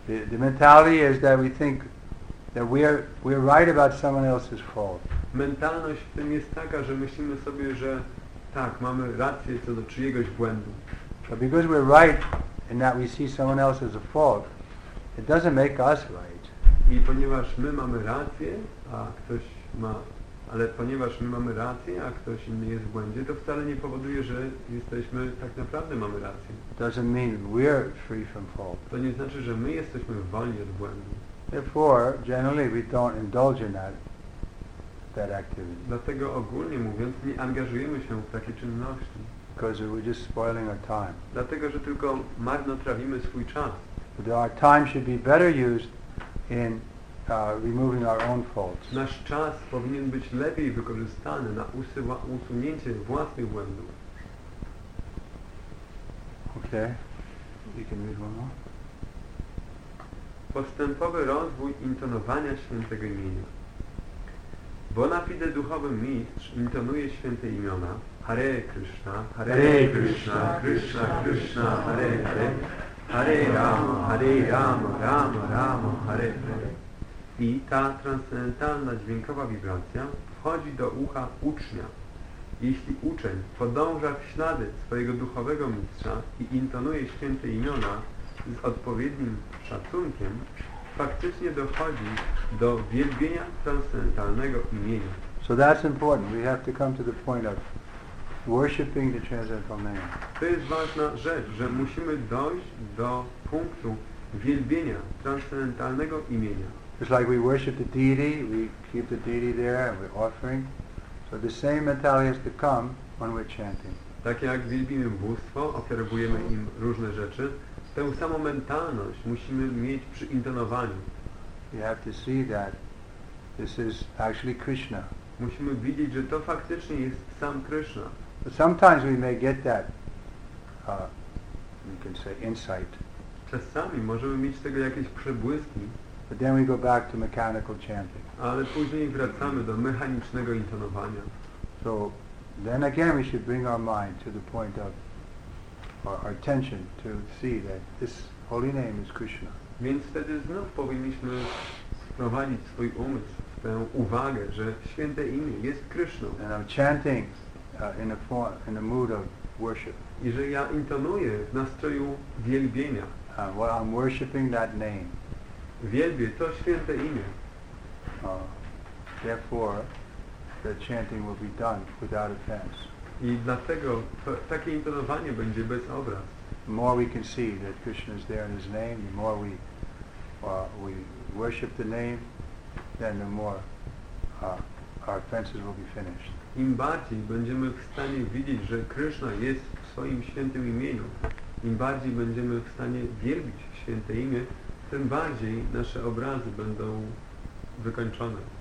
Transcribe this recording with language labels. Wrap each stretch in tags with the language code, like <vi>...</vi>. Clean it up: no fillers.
<en>The mentality is that we think that we are right about someone else's fault.</en> <pl>Mentalność w tym jest taka, że myślimy sobie, że tak, mamy rację co do czyjegoś błędu.</pl> <en>But because we're right in that we see someone else as a fault, it doesn't make us right.</en> <pl>I ponieważ my mamy rację, a ktoś ma. Ale ponieważ my mamy rację, a ktoś inny jest w błędzie, to wcale nie powoduje, że jesteśmy, tak naprawdę mamy rację.</pl> <en>Doesn't mean we're free from fault.</en> <pl>To nie znaczy, że my jesteśmy wolni od błędu.</pl> <en>Therefore, generally we don't indulge in that activity.</en> <pl>Dlatego ogólnie mówiąc, nie angażujemy się w takie czynności.</pl> <en>Because we're just spoiling our time.</en> <pl>Dlatego, że tylko marnotrawimy swój czas.</pl> <en>But our time should be better used in removing our own faults.</en> <pl>Nasz czas powinien być lepiej wykorzystany na usunięcie własnych błędów.</pl> <en>Okay. You can read one more.</en> <pl>Postępowy rozwój intonowania świętego imienia. Bona fide duchowy mistrz intonuje święte imiona Hare Krishna, Hare Krishna, Krishna Krishna, Hare Hare, Hare Rama, Hare Rama, Rama Rama, Hare Hare. I ta transcendentalna dźwiękowa wibracja wchodzi do ucha ucznia. Jeśli uczeń podąża w ślady swojego duchowego mistrza i intonuje święte imiona z odpowiednim szacunkiem, faktycznie dochodzi do wielbienia transcendentalnego imienia.</pl> <en>So that's important. We have to come to the point of worshiping the transcendental name.</en> <pl>To jest ważna rzecz, że musimy dojść do punktu wielbienia transcendentalnego imienia.</pl> <en>It's like we worship the deity, we keep the deity there and we're offering. So the same mentality has to come when we're chanting.</en> <pl>Tak jak wielbimy bóstwo, ofiarowujemy im różne rzeczy, tę samą mentalność musimy mieć przy intonowaniu.</pl> <en>You have to see that this is actually Krishna.</en> <pl>Musimy widzieć, że to faktycznie jest sam Krishna.</pl> <en>But sometimes we may get that, you can say, insight.</en> <pl>Czasami możemy mieć tego jakieś przebłyski.</pl> <en>But then we go back to mechanical chanting.</en> <pl>Ale później wracamy do mechanicznego intonowania.</pl> <en>So then again we should bring our mind to the point of our attention to see that this holy name is Krishna.</en> <pl>Więc wtedy znów powinniśmy sprowadzić swój umysł, tę uwagę, że święte imię jest Krishna.</pl> <en>And I'm chanting in a mood of worship.</en> <pl>I że ja intonuję w nastroju wielbienia.</pl> <en>Well, I'm worshiping that name.</en> <pl>Wielbię to święte imię.</pl> <en>Therefore, the chanting will be done without offense.</en> <pl>I dlatego takie intonowanie będzie bez obraz.</pl> <en>The more we can see that Krishna is there in His name, the more we worship the name, then the more our offenses will be finished.</en> <pl>Im bardziej będziemy w stanie widzieć, że Krishna jest w swoim świętym imieniu, im bardziej będziemy w stanie wielbić święte imię, tym bardziej nasze obrazy będą wykończone.</pl>